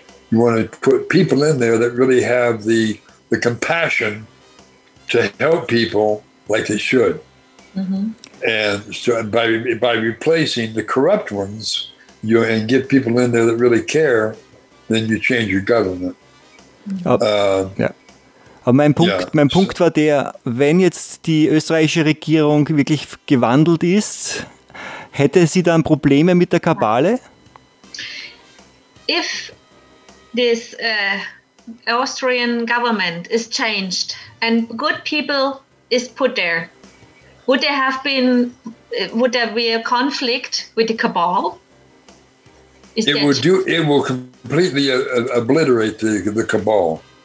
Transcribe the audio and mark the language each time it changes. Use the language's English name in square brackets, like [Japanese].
[English] You want to put people in there that really have the compassion to help people like they should. Mm-hmm. And so by replacing the corrupt ones, and get people in there that really care, then you change your government. [German] Aber mein Punkt war der, wenn jetzt die österreichische Regierung wirklich gewandelt ist, hätte sie dann Probleme mit der Kabale? [English] If this Austrian government is changed and good people is put there, would there be a conflict with the cabal? It will completely obliterate the cabal.